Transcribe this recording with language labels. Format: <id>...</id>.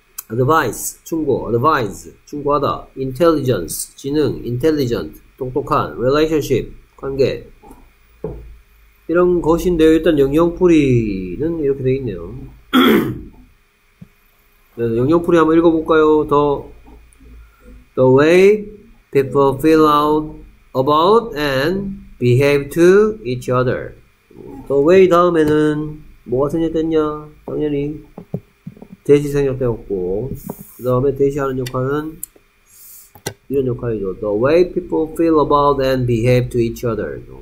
<ko>advice, 충고, advise, 충고하다, intelligence, 지능, intelligent, 똑똑한, relationship, 관계. 이런 것인데요. 일단 영영풀이는 이렇게 돼 있네요. 영영풀이 한번 읽어볼까요?</ko> <en>The way people feel out about and behave to each other.</en> <ko>The way 다음에는 뭐가 생략됐냐? 당연히 대시 생략되었고, 그 다음에 대시하는 역할은 이런 역할이죠.</ko> <en>The way people feel about and behave to each other.</en>